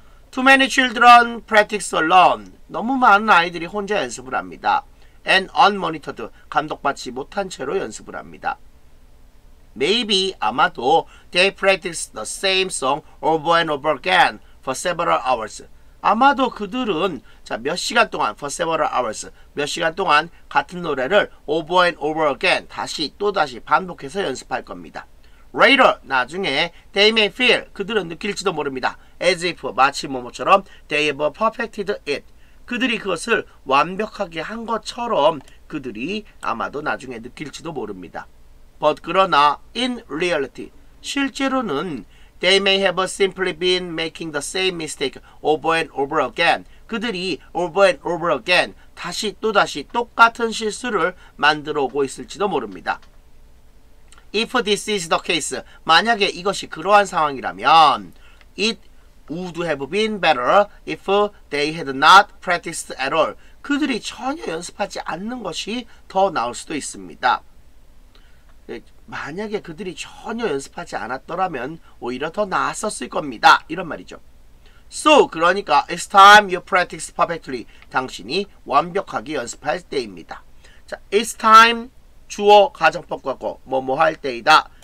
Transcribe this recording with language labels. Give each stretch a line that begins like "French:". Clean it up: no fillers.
English: Too many children practice alone.
Korean: 너무 많은 아이들이 혼자 연습을 합니다.
English: And unmonitored,
Korean: 감독받지 못한 채로 연습을 합니다.
English: Maybe,
Korean: 아마도
English: they practice the same song over and over again for several hours.
Korean: 아마도 그들은 자, 몇 시간 동안
English: for several hours
Korean: 몇 시간 동안 같은 노래를
English: over and over again
Korean: 다시 또다시 반복해서 연습할 겁니다.
English: Later,
Korean: 나중에
English: they may feel
Korean: 그들은 느낄지도 모릅니다.
English: As if
Korean: 마치 뭐뭐처럼
English: they have perfected it
Korean: 그들이 그것을 완벽하게 한 것처럼 그들이 아마도 나중에 느낄지도 모릅니다.
English: But
Korean: 그러나
English: in reality
Korean: 실제로는
English: They may have simply been making the same mistake over and over again.
Korean: 그들이
English: over and over again
Korean: 다시 또다시 똑같은 실수를 만들어 오고 있을지도 모릅니다.
English: If this is the case,
Korean: 만약에 이것이 그러한 상황이라면
English: It would have been better if they had not practiced at all.
Korean: 그들이 전혀 연습하지 않는 것이 더 나을 수도 있습니다. 만약에 그들이 전혀 연습하지 않았더라면 오히려 더 나았었을 겁니다. 이런 말이죠.
English: So,
Korean: 그러니까
English: It's time you practice perfectly.
Korean: 당신이 완벽하게 연습할 때입니다. 자,
English: It's time
Korean: 주어 가정법 과거 뭐뭐 할 때이다.